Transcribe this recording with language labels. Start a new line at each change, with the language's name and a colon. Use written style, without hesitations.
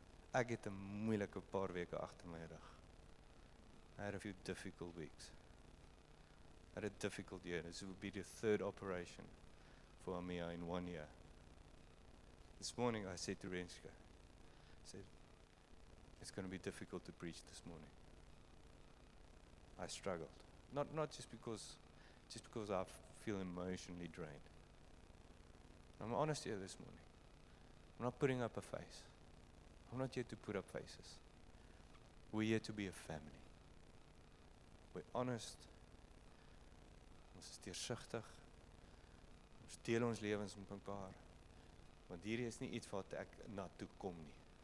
Afrikaans: Ek het 'n moeilike paar weke agter my rug.
English: I had a few difficult weeks. I had a difficult year. This would be the third operation for Amia in 1 year. This morning I said to Renske, I said, it's going to be difficult to preach this morning. I struggled. Not just because I feel emotionally drained. I'm honest here this morning. I'm not putting up a face. I'm not here to put up faces. We're here to be a family. We're honest.
Afrikaans: Ons is deursigtig. Ons deel ons lewens met mekaar. Want hierdie is nie iets wat ek na toe kom nie.